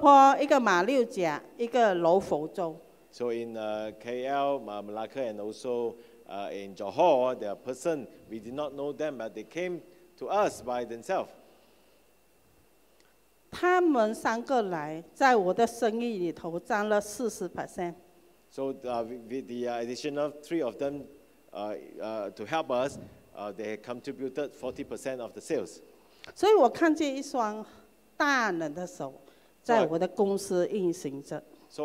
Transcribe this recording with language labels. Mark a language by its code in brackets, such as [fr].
[zh] 为什么生意会冲得这么厉害呢？因为他在吉隆坡帮我找了一个，我不认识的，他们自己来找我，这个才是奇妙的地方哈。吉隆坡一个马六甲，一个柔佛州。So [en] in KL, Malacca, and also in Johor, there are person we did not know them, but they came to us by themselves. [zh] 他们三个来，在我的生意里头占了40%。 [en] So the additional three of them to help us, they contributed 40% of the sales. [zh] 所以我看见一双大能的手在我的公司运行着。So